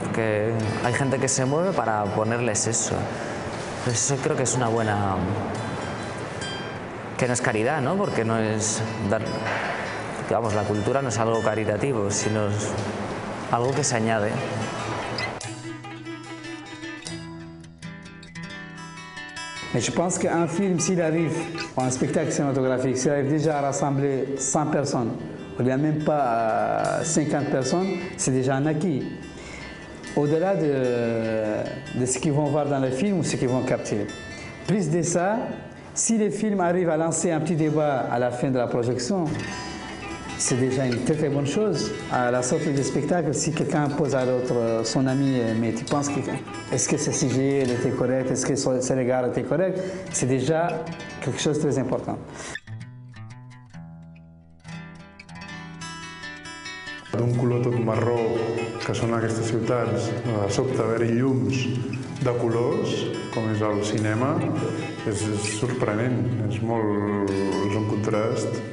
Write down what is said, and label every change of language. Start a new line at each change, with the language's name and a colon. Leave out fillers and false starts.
Spanish: Que hay gente que se mueve para ponerles eso. Pues eso creo que es una buena... que no es caridad, ¿no? Porque no es dar... Vamos, la cultura no es algo caritativo, sino es algo que se añade.
French: Et je pense qu'un film, s'il arrive, ou un spectacle cinématographique, s'il arrive déjà à rassembler 100 personnes, ou bien même pas 50 personnes, c'est déjà un acquis. Au-delà de ce qu'ils vont voir dans le film ou ce qu'ils vont capter. Plus de ça, si le film arrive à lancer un petit débat à la fin de la projection, c'est déjà une très très bonne chose. À la sortie du spectacle, si quelqu'un pose à l'autre son ami, mais tu penses que est-ce que ce sujet était correct, est-ce que ce regard était correct, c'est déjà quelque chose de très important.
Catalan: D'un color tot marró que són aquestes ciutats, de sobte haver-hi llums de colors, com és el cinema, és sorprenent, és molt, és un contrast.